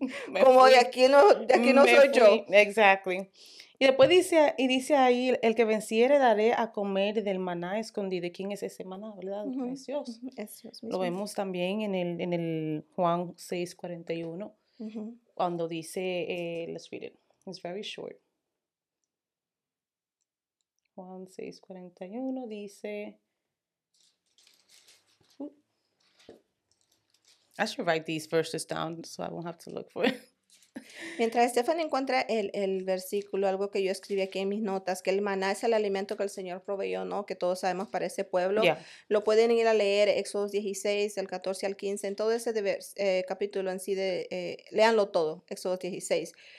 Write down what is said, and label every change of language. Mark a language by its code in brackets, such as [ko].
[es] De aquí no soy yo. [en] Exactly. [es] Y después dice ahí, el que venciere daré a comer del maná escondido. ¿Quién es ese maná, verdad? Uh-huh. Es Dios. Uh-huh. Es Dios mismo. Lo vemos también en el Juan 6:41, uh-huh. cuando dice, [en] let's read it, it's very short. Juan 6:41 dice, I should write these verses down so I won't have to look for it. [es] Mientras Stephanie encuentra el versículo, algo que yo escribí aquí en mis notas, que el maná es el alimento que el Señor proveyó, ¿no? Que todos sabemos para ese pueblo. [en] Yeah. [es] Lo pueden ir a leer, Éxodo 16, del 14 al 15, en todo ese capítulo en sí, léanlo todo, Éxodo 16.